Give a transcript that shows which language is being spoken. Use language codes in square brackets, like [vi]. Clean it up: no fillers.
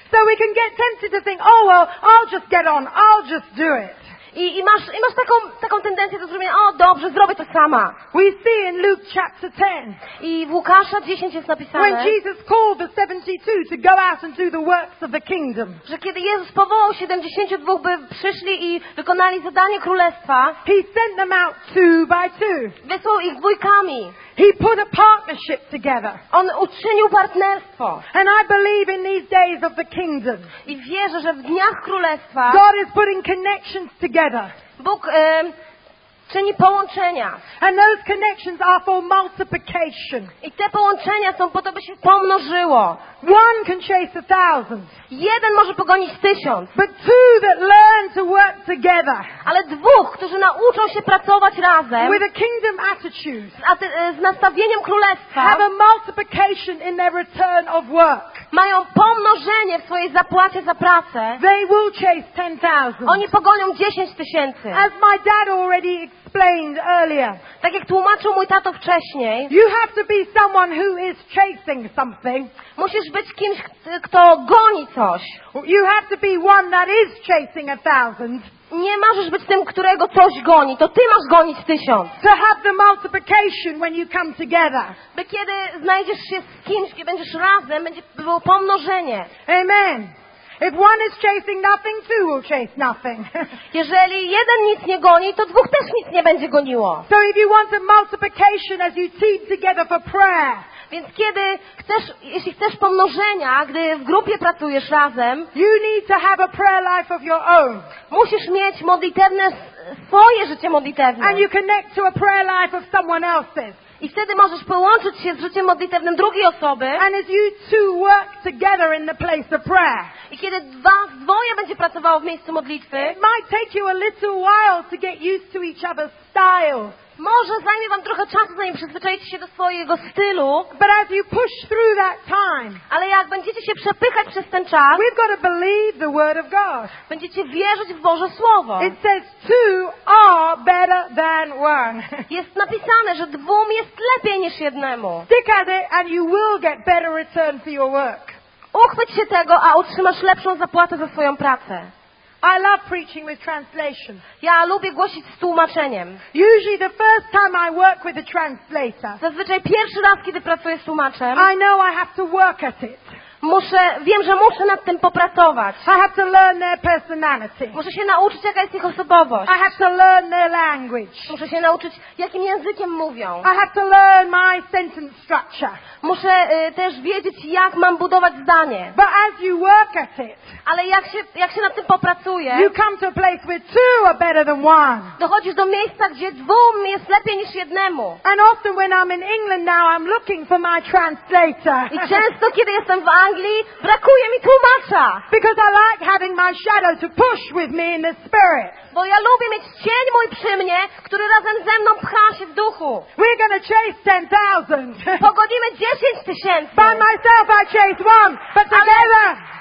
[en] So we can get tempted to think, oh well, I'll just get on, I'll just do it. [pl] I masz taką tendencję do zrobienia, o dobrze, zrobię to sama. [en] We see in Luke chapter 10. [pl] I w Łukasza 10 jest napisane. [en] When Jesus called the 72 to go out and do the works of the kingdom. [pl] Że kiedy Jezus powołał 72, by przyszli i wykonali zadanie królestwa. [en] He sent them out two by two. [pl] Wysłał ich dwójkami. [en] He put a partnership together. [pl] On uczynił partnerstwo. [en] And I believe in these days of the kingdom. [pl] I wierzę, że w dniach królestwa. [en] God is putting connections together. [pl] Bóg czyni połączenia. [en] And those connections are for multiplication. [pl] I te połączenia są po to, by się pomnożyło. [en] One can chase a thousand. [pl] Jeden może pogonić tysiąc. [en] But two that learn to work together. [pl] Ale dwóch, którzy nauczą się pracować razem. [en] With a kingdom attitude. [pl] Z nastawieniem królestwa. [en] Have a multiplication in their return of work. [pl] Mają pomnożenie w swojej zapłacie za pracę. [en] They will chase 10,000. [pl] Oni pogonią 10,000. [en] As my dad already explained earlier. [pl] Tak jak tłumaczył mój tato wcześniej. [en] You have to be someone who is chasing something. [pl] Musisz być kimś, kto goni coś. [en] You have to be one that is chasing 1,000. [pl] Nie możesz być tym, którego coś goni. To ty masz gonić 1,000. [en] To have the multiplication when you come together. [pl] By kiedy znajdziesz się z kimś, kiedy będziesz razem, będzie było pomnożenie. [en] Amen. If one is chasing nothing, two will chase nothing. [pl] Jeżeli jeden nic nie goni, to dwóch też nic nie będzie goniło. [en] So if you want a multiplication as you team together for prayer. [pl] Więc kiedy chcesz, jeśli chcesz pomnożenia, gdy w grupie pracujesz razem, [en] you need to have a prayer life of your own. [pl] Musisz mieć modlitewne, swoje życie modlitewne. [en] And you connect to a prayer life of someone else's. [pl] I wtedy możesz połączyć się z życiem modlitewnym drugiej osoby. [en] And as you two work together in the place of prayer. [pl] I kiedy was dwoje będzie pracowało w miejscu modlitwy, [en] it might take you a little while to get used to each other's style. [pl] Może zajmie wam trochę czasu, zanim przyzwyczajcie się do swojego stylu. [en] But as you push through that time, [pl] ale jak będziecie się przepychać przez ten czas, [en] we've got to believe the word of God. [pl] Będziecie wierzyć w Boże Słowo. [en] It says two are better than one. [pl] Jest napisane, że dwóm jest lepiej niż jednemu. [en] Stick at it and you will get better return for your work. [pl] Uchwyć się tego, a otrzymasz lepszą zapłatę za swoją pracę. [en] I love preaching with translation. [pl] Ja lubię głosić z tłumaczeniem. [en] Usually the first time I work with a translator. [pl] Zazwyczaj pierwszy raz, kiedy pracuję z tłumaczem. [en] I know I have to work at it. [pl] Wiem, że muszę nad tym popracować. [en] I have to learn their personality. [pl] Muszę się nauczyć, jaka jest ich osobowość. [en] I have to learn their language. [pl] Muszę się nauczyć, jakim językiem mówią. [en] I have to learn my sentence structure. [pl] Muszę też wiedzieć, jak mam budować zdanie. [en] But as you work at it, [pl] ale jak się nad tym popracuje, [en] you come to a place where two are better than one. [pl] Dochodzisz do miejsca, gdzie dwóm jest lepiej niż jednemu. [en] And often when I'm in England now, I'm looking for my translator. [pl] I często, kiedy jestem w Anglii, brakuje mi tłumacza. [en] Because I like having my shadow to push with me in the spirit. [pl] Bo ja lubię mieć cień mój przy mnie, który razem ze mną pcha się w duchu. [en] We're gonna chase 10,000. [pl] Pogonimy 10,000. [en] By myself I chase one, but together.